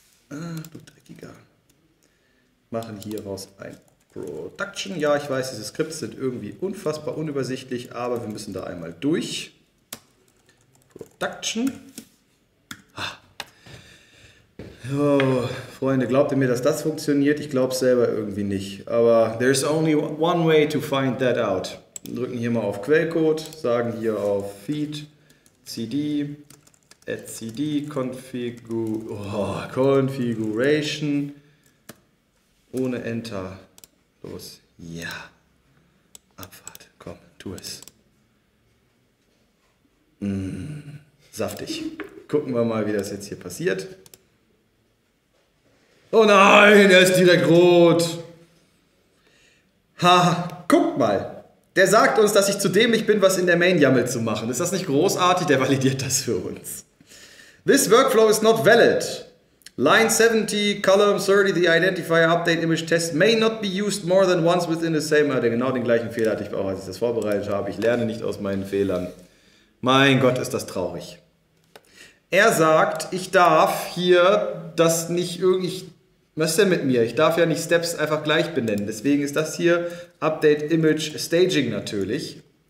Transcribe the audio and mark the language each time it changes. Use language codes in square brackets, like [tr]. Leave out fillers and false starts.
[de] Ach, du dreckiger. Machen hieraus ein Production. Ja, ich weiß, diese Skripts sind irgendwie unfassbar unübersichtlich, aber wir müssen da einmal durch. Production. Ah. Oh, Freunde, glaubt ihr mir, dass das funktioniert? Ich glaube selber irgendwie nicht. Aber [en] there's only one way to find that out. [de] Drücken hier mal auf Quellcode, sagen hier auf Feed, CD, Add CD, Configuration. Ohne Enter. Los. Ja. Abfahrt. Komm, tu es. Saftig. Gucken wir mal, wie das jetzt hier passiert. Oh nein, er ist direkt rot. Ha, guck mal. Der sagt uns, dass ich zu dämlich bin, was in der Main-YAML zu machen. Ist das nicht großartig? Der validiert das für uns. [en] This workflow is not valid. Line 70, Column 30, the Identifier Update Image Test may not be used more than once within the same. [de] Also genau den gleichen Fehler hatte ich auch, als ich das vorbereitet habe. Ich lerne nicht aus meinen Fehlern. Mein Gott, ist das traurig. Er sagt, ich darf hier das nicht irgendwie. Was ist denn mit mir? Ich darf ja nicht Steps einfach gleich benennen. Deswegen ist das hier Update Image Staging natürlich.